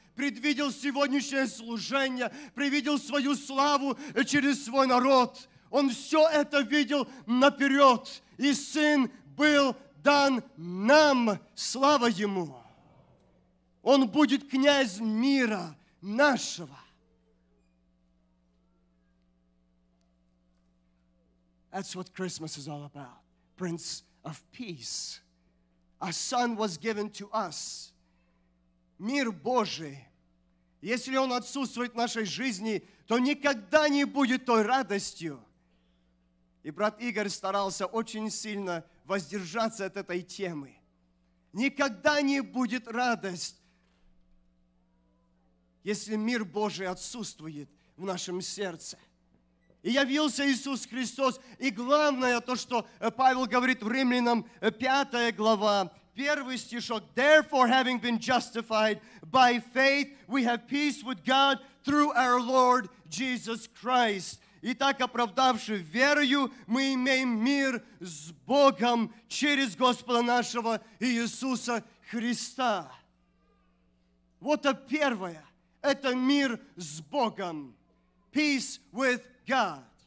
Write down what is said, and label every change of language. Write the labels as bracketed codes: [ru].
[ru] Предвидел сегодняшнее служение, предвидел свою славу через свой народ. Он все это видел наперед, и Сын был дан нам, слава Ему. Он будет князь мира нашего. [en] That's what Christmas is all about, Prince of Peace. A son was given to us. [ru] Мир Божий. Если он отсутствует в нашей жизни, то никогда не будет той радостью. И брат Игорь старался очень сильно воздержаться от этой темы. Никогда не будет радость, если мир Божий отсутствует в нашем сердце. И явился Иисус Христос. И главное то, что Павел говорит в Римлянам, 5 глава, первый стишок. [en] Therefore, having been justified by faith, we have peace with God through our Lord Jesus Christ. [ru] Итак, оправдавши верою, мы имеем мир с Богом через Господа нашего Иисуса Христа. Вот это первое. Это мир с Богом. [en] Peace with God.